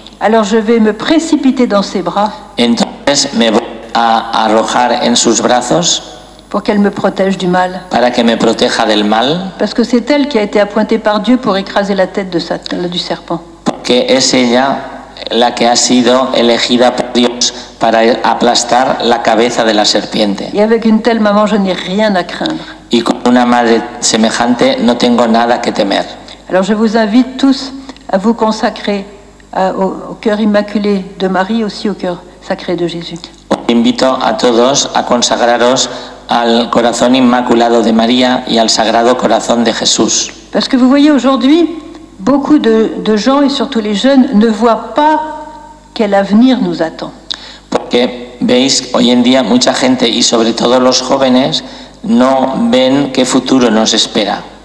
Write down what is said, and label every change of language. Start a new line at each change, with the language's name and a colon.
French: Alors je vais me précipiter dans ses bras.
Spanish: Entonces me voy a arrojar en sus brazos.
French: Pour qu'elle me protège du mal.
Spanish: Para que me proteja del mal.
French: Parce que c'est elle qui a été appointée par Dieu pour écraser la tête de Satan, du serpent.
Spanish: Porque es ella la que ha sido elegida por Dios para aplastar la cabeza de la serpiente.
French: Et avec une telle maman, je n'ai rien à craindre.
Spanish: Y con una madre semejante, no tengo nada que temer.
French: Alors je vous invite tous à vous consacrer au cœur immaculé de Marie, aussi au cœur sacré de Jésus.
Spanish: Os invito a todos a consagraros al corazón inmaculado de María y al sagrado corazón de Jesús.
French: Parce que vous voyez aujourd'hui beaucoup de gens et surtout les jeunes ne voient pas quel avenir nous attend.
Spanish: Porque veis hoy en día mucha gente y sobre todo los jóvenes no ven qué futuro nos espera.